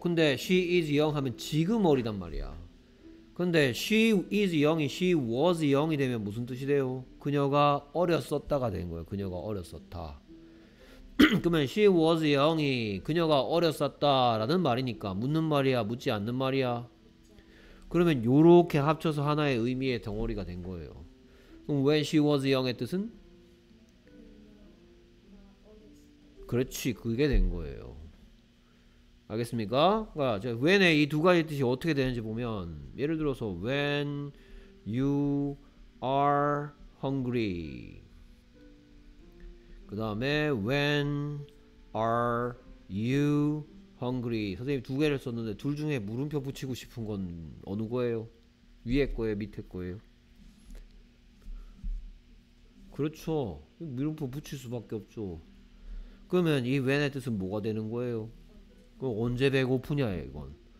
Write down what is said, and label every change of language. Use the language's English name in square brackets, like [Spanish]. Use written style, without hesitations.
[Korean] 근데 'she is young' 하면 지금 어리단 말이야. 근데 'she is young'이 'she was young'이 되면 무슨 뜻이 돼요? 그녀가 어렸었다가 된 거예요. 그녀가 어렸었다. 그러면 she was young 이 그녀가 어렸었다라는 말이니까 묻는 말이야, 묻지 않는 말이야. 그러면 요렇게 합쳐서 하나의 의미의 덩어리가 된 거예요. 그럼 when she was young 의 뜻은? 그렇지, 그게 된 거예요. 알겠습니까? 그러니까 when의 이두 가지 뜻이 어떻게 되는지 보면 예를 들어서 when you are hungry. [English] 그 다음에 when are you hungry? [Korean] 선생님 두 개를 썼는데 둘 중에 물음표 붙이고 싶은 건 어느 거예요? 위에 거예요? 밑에 거예요? 그렇죠. 물음표 붙일 수밖에 없죠. 그러면 이 when의 뜻은 뭐가 되는 거예요? 그럼 언제 배고프냐 이건.